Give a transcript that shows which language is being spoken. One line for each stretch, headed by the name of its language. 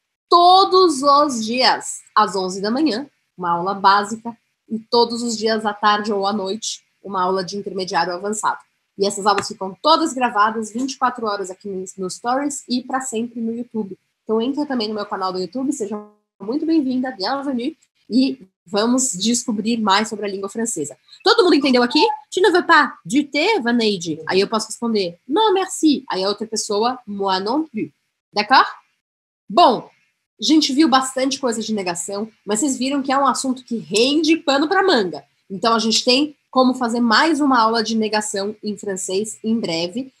Portuguese: Todos os dias, às 11 da manhã, uma aula básica, e todos os dias, à tarde ou à noite, uma aula de intermediário avançado. E essas aulas ficam todas gravadas, 24 horas aqui no Stories e para sempre no YouTube. Então entra também no meu canal do YouTube, seja muito bem-vinda, bienvenue, e vamos descobrir mais sobre a língua francesa. Todo mundo entendeu aqui?
French: Tu ne veux pas du thé, Vaneide?
Portuguese: Aí eu posso responder,
French: non, merci.
Portuguese: Aí a outra pessoa,
French: moi non plus. D'accord?
Portuguese: Bom, a gente viu bastante coisa de negação, mas vocês viram que é um assunto que rende pano para manga. Então a gente tem como fazer mais uma aula de negação em francês em breve.